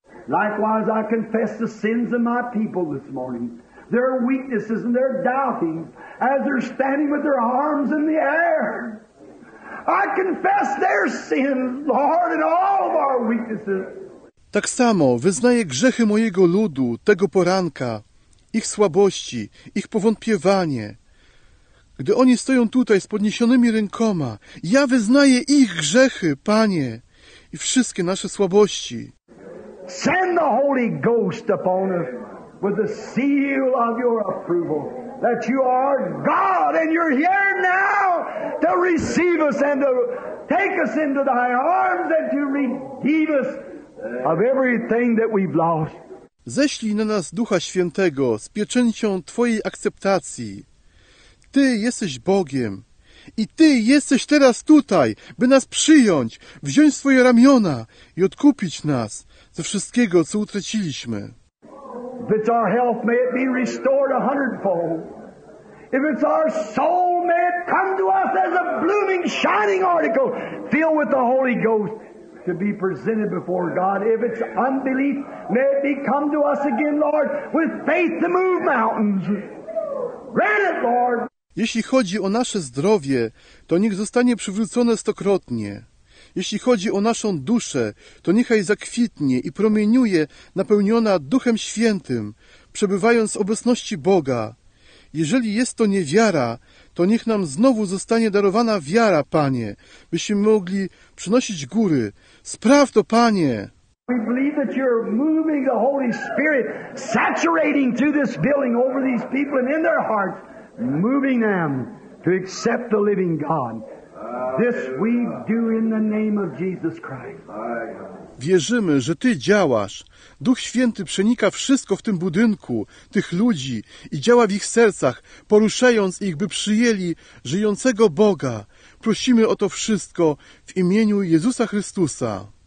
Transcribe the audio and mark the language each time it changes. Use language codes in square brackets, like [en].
[en] Likewise, I confess the sins of my people this morning. Their weaknesses and their doubting as they're standing with their arms in the air. I confess their sins, Lord, and all of our weaknesses. [pl] Tak samo wyznaję grzechy mojego ludu tego poranka, ich słabości, ich powątpiewanie. Gdy oni stoją tutaj z podniesionymi rękoma, ja wyznaję ich grzechy, Panie, i wszystkie nasze słabości. [en] Send the Holy Ghost upon us with the seal of your approval that you are God and you're here now to receive us and to take us into thy arms and to redeem us of everything that we've lost. [pl] Ześlij na nas Ducha Świętego z pieczęcią Twojej akceptacji. Ty jesteś Bogiem i Ty jesteś teraz tutaj, by nas przyjąć, wziąć swoje ramiona i odkupić nas ze wszystkiego, co utraciliśmy. [en] If it's our health, may it be restored a hundredfold. If it's our soul, may it come to us as a blooming, shining article, filled with the Holy Ghost, to be presented before God. If it's unbelief, may it be come to us again, Lord, with faith to move mountains. Grant it, Lord. [pl] Jeśli chodzi o nasze zdrowie, to niech zostanie przywrócone stokrotnie. Jeśli chodzi o naszą duszę, to niechaj zakwitnie i promieniuje napełniona Duchem Świętym, przebywając w obecności Boga. Jeżeli jest to niewiara, to niech nam znowu zostanie darowana wiara, Panie, byśmy mogli przynosić góry. Spraw to, Panie! [en] We believe that you're moving the Holy Spirit, saturating through this building over these people and in their hearts, moving them to accept the living God. This we do in the name of Jesus Christ. [pl] Wierzymy, że Ty działasz. Duch Święty przenika wszystko w tym budynku, tych ludzi i działa w ich sercach, poruszając ich, by przyjęli żyjącego Boga. Prosimy o to wszystko w imieniu Jezusa Chrystusa.